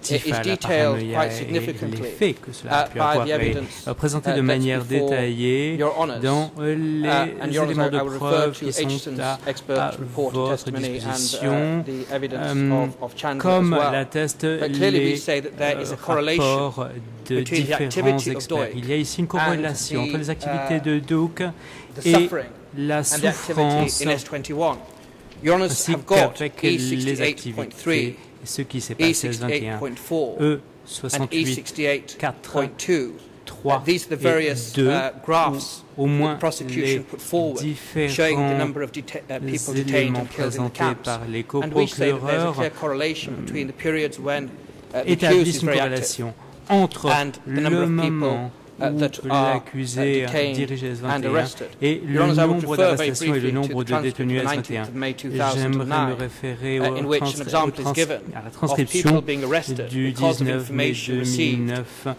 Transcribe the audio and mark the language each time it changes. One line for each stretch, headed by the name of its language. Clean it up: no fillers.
English: is detailed quite significantly by the evidence that's before your honours, and your honours, I will refer to Aitchison's expert report testimony and the evidence of Chandler as well. But clearly we say that there is a correlation between the activity of Doig
French: il y a ici une corrélation entre les activités de Doig et la souffrance in S21.
English: Your Honours have got E68.3, E68.4, and E68.2. These are the various graphs the prosecution put forward showing the number of people detained and killed in the camps. And we say that there's a clear correlation between the periods when the accused is very active and the number of people that are detained and arrested.
French: Et le nombre d'arrestations et le nombre de détenus S21. J'aimerais me référer au transcription du 19 mai 2009.